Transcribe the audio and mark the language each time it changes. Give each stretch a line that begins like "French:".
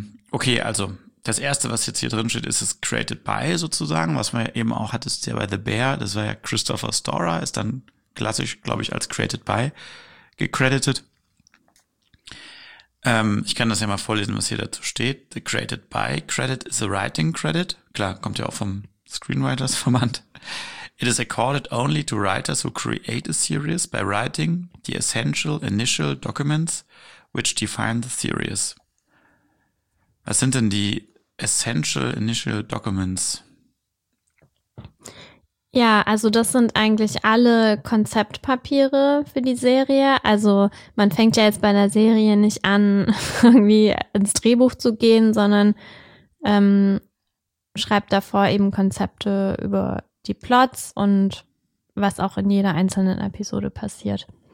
German: Okay, also das erste, was jetzt hier drin steht, ist das Created By sozusagen, was man ja eben auch hattest ja bei The Bear, das war ja Christopher Storer, ist dann klassisch, glaube ich, als Created By gecredited. Ich kann das ja mal vorlesen, was hier dazu steht.
English: The Created By Credit is a writing credit.
German: Klar, kommt ja auch vom Screenwriters Verband.
English: It is accorded only to writers who create a series by writing the essential initial documents which define the series.
German: Was sind denn die
English: essential initial documents?
German: Ja, also das sind eigentlich alle Konzeptpapiere für die Serie. Also man fängt ja jetzt bei einer Serie nicht an, irgendwie ins Drehbuch zu gehen, sondern schreibt davor eben Konzepte über die Plots und was auch in jeder einzelnen Episode passiert.